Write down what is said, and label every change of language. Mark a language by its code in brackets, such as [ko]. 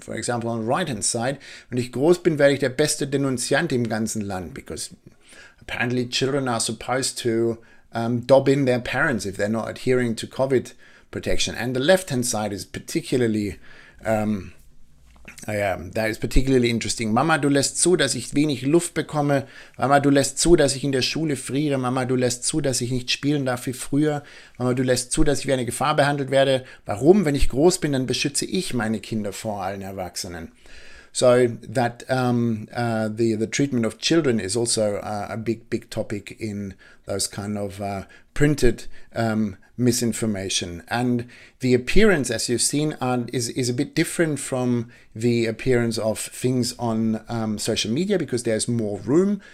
[en] For example, on the right-hand side, [de] wenn ich groß bin, werde ich der beste Denunziant im ganzen Land, [en] because apparently children are supposed to dob in their parents if they're not adhering to COVID protection. And the left-hand side is particularly that is particularly interesting. [de] Mama, du lässt zu, dass ich wenig Luft bekomme. Mama, du lässt zu, dass ich in der Schule friere. Mama, du lässt zu, dass ich nicht spielen darf wie früher. Mama, du lässt zu, dass ich wie eine Gefahr behandelt werde. Warum? Wenn ich groß bin, dann beschütze ich meine Kinder vor allen Erwachsenen. [en] So that the treatment of children is also a big topic in those kind of printed misinformation. And the appearance, as you've seen, is a bit different from the appearance of things on social media, because there's more room.